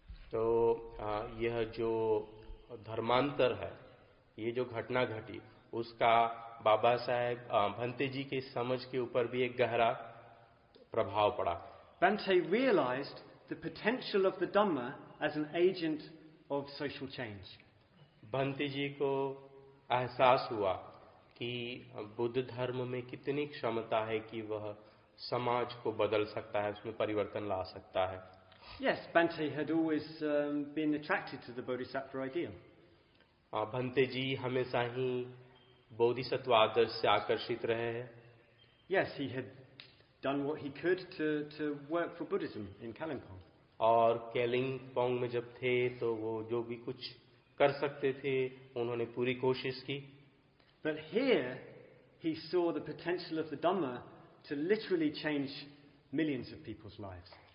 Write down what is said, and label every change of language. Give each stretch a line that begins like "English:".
Hindi: तो यह जो धर्मांतर है ये जो घटना घटी उसका बाबा साहेब भंते जी के समझ के ऊपर भी एक गहरा प्रभाव पड़ा.
English: Bante realized the potential of the Dhamma as an agent of social change.
Hindi: Bhante जी को एहसास हुआ कि बुद्ध धर्म में कितनी क्षमता है कि वह समाज को बदल सकता है उसमें परिवर्तन ला सकता है.
English: Yes, Bante had always been attracted to the Bodhisattva ideal.
Hindi: Bhante जी हमेशा ही बोधिसत्व आदर्श से आकर्षित रहे हैं.
English: Yes, he had done what he could to work for Buddhism in Kalimpong.
Hindi: और कैलिंगपोंग में जब थे तो वो जो भी कुछ कर सकते थे उन्होंने पूरी कोशिश की.
English: But here he saw the potential of the Dhamma to literally change millions of people's lives.